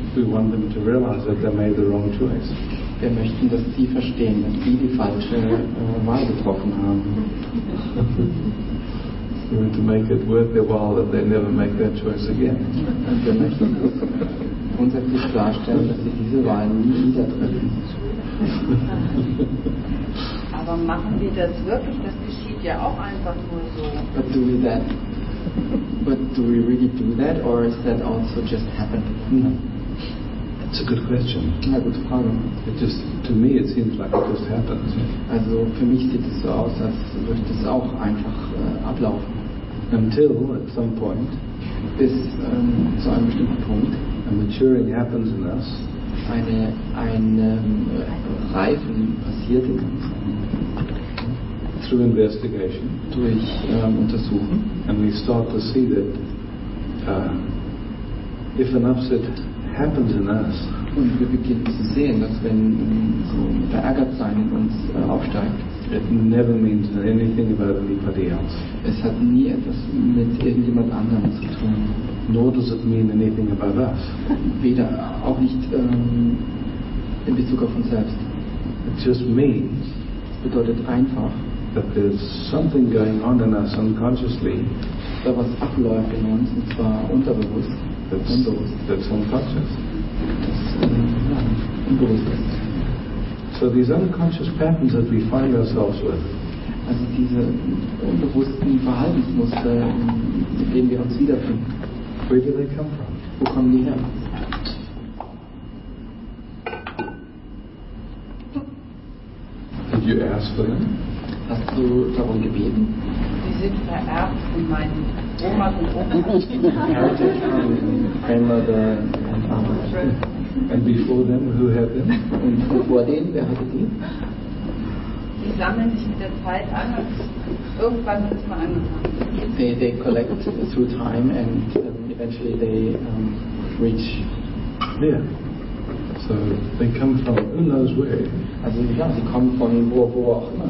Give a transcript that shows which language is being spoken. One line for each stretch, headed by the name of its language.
English: we want them to realize that they made the wrong choice.
German: Wir möchten, dass sie verstehen, dass sie die falsche Wahl getroffen haben.
English: We want to make it worth their while that they never make that choice again.
German: Und wir möchten grundsätzlich klarstellen, dass sie diese Wahl nie wieder treffen. Aber machen wir das wirklich? Das geschieht ja auch einfach nur so.
English: But do we that? But do we really do that, or is that also just happened? No. It's a good question.
German: Ja, gute Frage.
English: It just, to me, it seems like it just happened.
German: Also für mich sieht es so aus, als würde das auch einfach ablaufen.
English: Until at some point,
German: bis zu einem bestimmten Punkt,
English: a maturing happens in us.
German: Ein Reifen passiert in uns.
English: Through investigation,
German: durch untersuchen,
English: and we start to see that if an upset happens in us,
German: und wir beginnen zu sehen, dass wenn so verärgert sein in uns aufsteigt,
English: it never means anything about anybody else.
German: Es hat nie etwas mit irgendjemand anderem zu tun.
English: Nor does it mean anything about us.
German: Weder auch nicht in Bezug auf uns selbst.
English: It just means,
German: bedeutet einfach,
English: that there's something going on in us unconsciously.
German: Da was abläuft in uns, und zwar unterbewusst.
English: That's unconscious.
German: Das unbewusst ist.
English: So these unconscious patterns that we find ourselves with.
German: Also diese unbewussten Verhaltensmuster, in denen wir uns wiederfinden.
English: Where do they come from?
German: Wo kommen die her?
English: Did you ask for them?
German: Hast du darum gebeten? Sie sind vererbt von meinen Oma und Opa.
English: Grandmother and Mama. And before them, who had them?
German: Und vor denen, wer hatte die? Die sammeln sich mit der Zeit an, irgendwann hat es mal angefangen.
English: They collect through time and eventually they reach. Yeah. So they come from who knows where.
German: Also ja, sie kommen von wo auch immer.